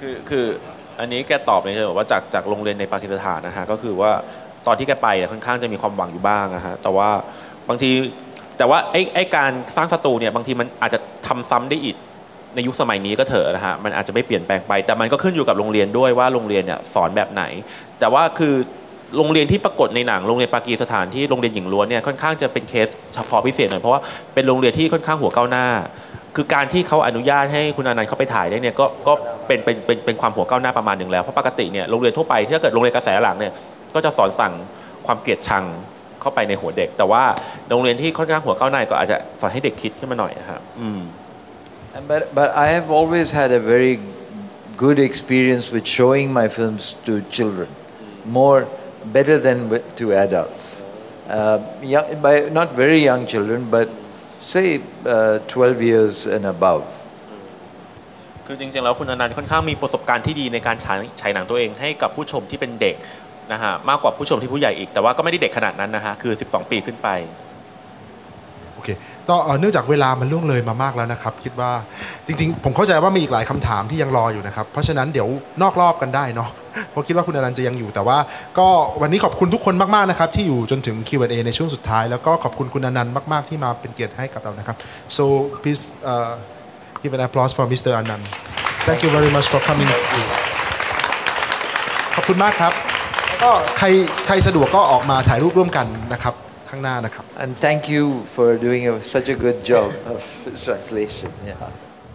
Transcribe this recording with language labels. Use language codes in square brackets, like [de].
[th] คืออันนี้แกตอบเลยใช่ไหมว่าจากโรงเรียนในปากีสถานนะฮะก็คือว่าตอนที่แกไปค่อนข้างจะมีความหวังอยู่บ้างนะฮะแต่ว่าไอ้การสร้างศัตรูเนี่ยบางทีมันอาจจะทำซ้ำได้อีกในยุคสมัยนี้ก็เถอะนะฮะมันอาจจะไม่เปลี่ยนแปลงไปแต่มันก็ขึ้นอยู่กับโรงเรียนด้วยว่าโรงเรียนเนี่ยสอนแบบไหนแต่ว่าคือโรงเรียนที่ปรากฏในหนังโรงเรียนปากีสถานที่โรงเรียนหญิงล้วนเนี่ยค่อนข้างจะเป็นเคสเฉพาะพิเศษหน่อยเพราะว่าเป็นโรงเรียนที่ค่อนข้างหัวก้าวหน้าคือการที่เขาอนุญาตให้คุณอนันต์เข้าไปถ่ายได้เนี่ยก็ เป็นความหัวก้าวหน้าประมาณนึงแล้วเพราะปกติเนี่ยโรงเรียนทั่วไปถ้าเกิดโรงเรียนกระแสหลังเนี่ยก็จะสอนสั่งความเกลียดชังเข้าไปในหัวเด็กแต่ว่าโรงเรียนที่ค่อนข้างหัวก้าวหน้าก็อาจจะสอนให้เด็กคิดขึ้นมาหน่อยนะครับ [en] But I have always had a very good experience with showing my films to children, better than to adults. By not very young children, but say 12 years and above. [th] คือจริงๆแล้วคุณอนันต์ค่อนข้างมีประสบการณ์ที่ดีในการฉายหนังตัวเองให้กับผู้ชมที่เป็นเด็กนะฮะมากกว่าผู้ชมที่ผู้ใหญ่อีกแต่ว่าก็ไม่ได้เด็กขนาดนั้นนะฮะคือ12ปีขึ้นไป ก็เนื่องจากเวลามันล่วงเลยมามากแล้วนะครับคิดว่าจริงๆผมเข้าใจว่ามีอีกหลายคำถามที่ยังรออยู่นะครับเพราะฉะนั้นเดี๋ยวนอกรอบกันได้เนาะเพราะคิดว่าคุณอนันต์จะยังอยู่แต่ว่าก็วันนี้ขอบคุณทุกคนมากๆนะครับที่อยู่จนถึง Q&A ในช่วงสุดท้ายแล้วก็ขอบคุณคุณอนันต์มากๆที่มาเป็นเกียรติให้กับเรานะครับ [en] so please give an applause for Mr. Anand thank you very much for coming [th] ขอบคุณมากครับก็ใครสะดวกก็ออกมาถ่ายรูปร่วมกันนะครับ [en] And thank you for doing such a good job of translation. Yeah.